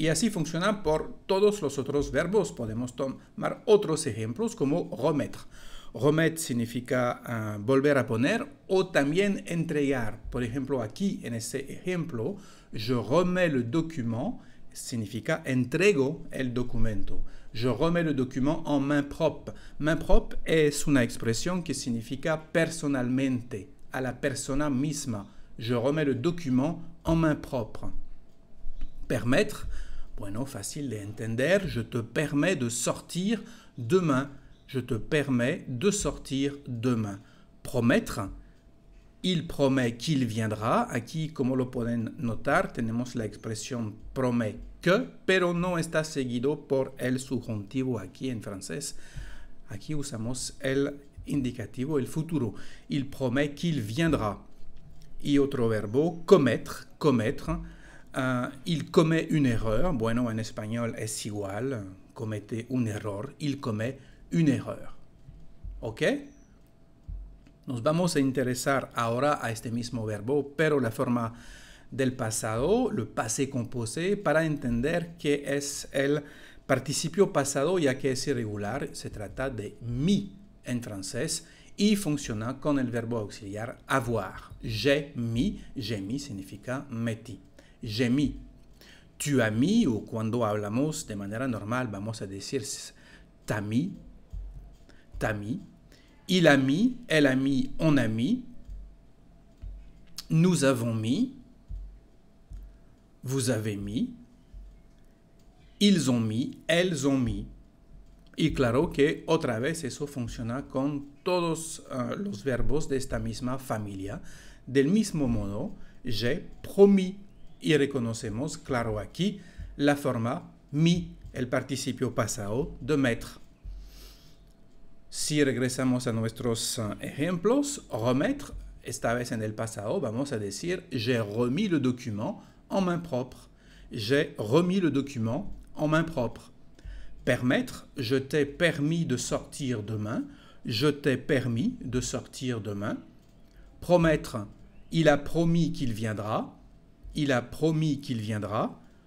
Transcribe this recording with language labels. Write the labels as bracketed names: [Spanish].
[Spanish] Y así funciona por todos los otros verbos. Podemos tomar otros ejemplos como remettre. Remettre significa volver a poner o también entregar. Por ejemplo, aquí en ese ejemplo, [French] je remets le document, [Spanish] significa entrego el documento. [French] Je remets le document en main propre. [Spanish] Main propre es una expresión que significa personalmente, a la persona misma. [French] Je remets le document en main propre. Permettre, bueno, facile d'entender. Je te permets de sortir demain. Je te permets de sortir demain. Promettre, il promet qu'il viendra. [Spanish] Aquí, como lo pueden notar, tenemos la expresión promet. Que, pero no está seguido por el subjuntivo aquí en francés. Aquí usamos el indicativo, el futuro. [French] Il promet qu'il viendra. [Spanish] Y otro verbo, [French] commettre, commettre. Il commet une erreur. [Spanish] Bueno, en español es igual. Comete un error. [French] Il commet une erreur. [Spanish] ¿Ok? Nos vamos a interesar ahora a este mismo verbo, pero la forma del pasado, le passé composé, para entender qué es el participio pasado, ya que es irregular, se trata de mi en francés, y funciona con el verbo auxiliar avoir. [French] J'ai mis [Spanish] significa metí. [French] J'ai mis. [Spanish] Tu as mis, o cuando hablamos de manera normal, vamos a decir [French] t'as mis, t'as mis. Il a mis, elle a mis, on a mis. Nous avons mis. Vous avez mis, ils ont mis, elles ont mis. [Spanish] Y claro que otra vez eso funciona con todos los verbos de esta misma familia. Del mismo modo, j'ai promis. Y reconocemos, claro, aquí la forma mi, el participio pasado de mettre. Si regresamos a nuestros ejemplos, remettre, esta vez en el pasado, vamos a decir, [French] j'ai remis le document. En main propre. J'ai remis le document en main propre. Permettre, je t'ai permis de sortir demain. Je t'ai permis de sortir demain. Promettre, il a promis qu'il viendra. Il a promis qu'il viendra.